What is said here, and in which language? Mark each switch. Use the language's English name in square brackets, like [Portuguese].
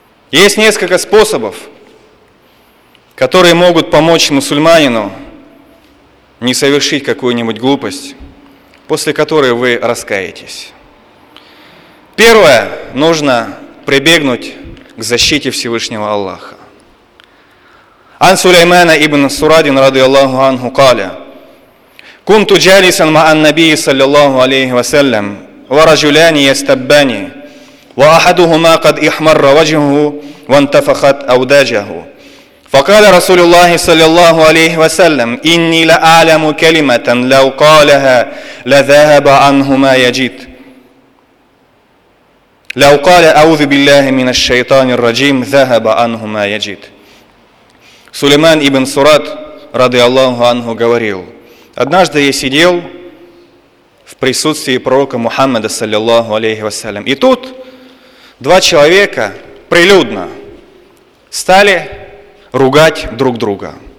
[Russian] Есть несколько способов, которые могут помочь мусульманину не совершить какую-нибудь глупость, после которой вы раскаетесь. Первое, нужно прибегнуть к защите Всевышнего Аллаха. [Arabic] عن سليمان ابن سراد رضي الله عنه قال كنت جالسا مع النبي صلى الله عليه وسلم ورجلان يستبان وأحدهما قد احمر وجهه وانتفخت أوداجه فقال رسول الله صلى الله عليه وسلم إني لأعلم كلمة لو قالها لذهب عنه ما يجد لو قال أعوذ بالله من الشيطان الرجيم ذهب عنه ما يجد. [Russian] Сулейман ибн Сурат, ради Аллаху Ангу, говорил: однажды я сидел в присутствии пророка Мухаммада, саллиллаху алейхи вассалям, и тут два человека прилюдно стали ругать друг друга.